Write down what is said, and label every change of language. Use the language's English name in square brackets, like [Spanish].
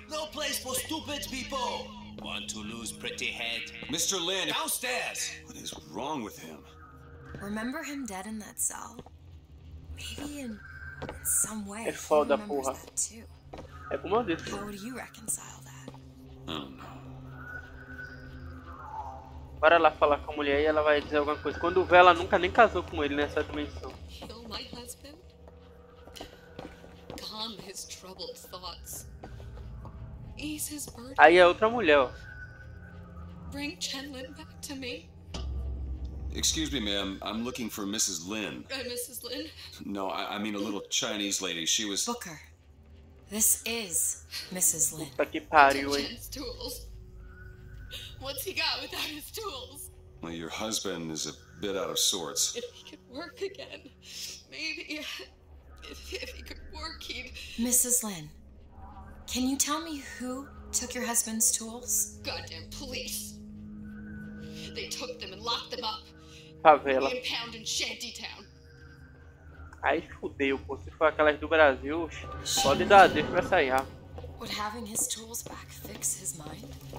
[English] No place for stupid people. Want to lose pretty head? Mr. Lin. Downstairs. What is wrong with him? Remember him dead in that cell? Maybe in some way. [Portuguese] É foda, porra. É como eu disse. [English] How do you reconcile that? Oh, no. [Portuguese] Para lá falar com a mulher e ela vai dizer alguma coisa. Quando vê, ela nunca nem casou com ele nessa dimensão. [English] Kill my husband? Calm his troubled thoughts. Ease his burden. [Portuguese] Aí é outra mulher, ó. [English] Bring Chen Lin back to me. Excuse me, ma'am. I'm looking for Mrs. Lin. Mrs. Lin? No, I mean a little Chinese lady. She was... Booker, this is Mrs. Lin. [Portuguese] Puta que pariu, hein? [English] What's he got without his tools? Well, your husband is a bit out of sorts. If he could work again, maybe. If he could work, he'd... Mrs. Lin, can you tell me who took your husband's tools? Goddamn police. They took them and locked them up. [Portuguese] Favela. [English] They impound in Shantytown. [Portuguese] Ai, fudeu, pô. Se for aquelas do Brasil, pode dar, deixa pra sair. [English] Would having his tools back fix his mind?